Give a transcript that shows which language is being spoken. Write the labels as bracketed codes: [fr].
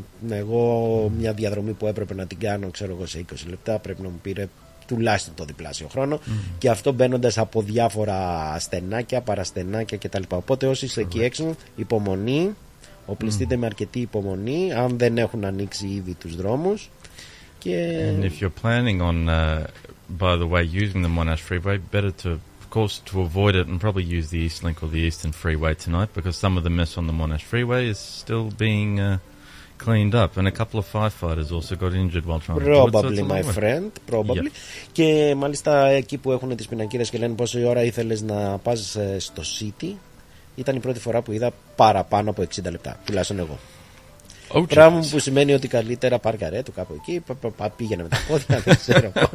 [el] Εγώ μια διαδρομή που έπρεπε να την κάνω, ξέρω εγώ, σε 20 λεπτά πρέπει να μου πήρε τουλάχιστον το διπλάσιο χρόνο. Και αυτό μπαίνοντας από διάφορα στενάκια, παραστενάκια κτλ. Οπότε όσοι είστε εκεί έξω, υπομονή. Οπλιστείτε με αρκετή υπομονή αν δεν έχουν ανοίξει ήδη τους δρόμους. Και [en] and if you're planning on by the way using the Monash Freeway, better to of course to avoid it and probably use the East Link or the Eastern Freeway tonight, because some of the mess on the Monash Freeway is still being cleaned up and a couple of firefighters also got injured while trying probably, to do it. Probably, my friend, probably. Yeah. [el] Και μάλιστα εκεί που έχουν τις πινακίδες και λένε πόση ώρα ήθελες να πας στο City, ήταν η πρώτη φορά που είδα παραπάνω από 60 λεπτά, τουλάχιστον εγώ. [en] Okay. [el] Πράγμα που σημαίνει ότι καλύτερα πάρκαρε του κάπου εκεί, πήγαινε με τα πόδια, δεν ξέρω.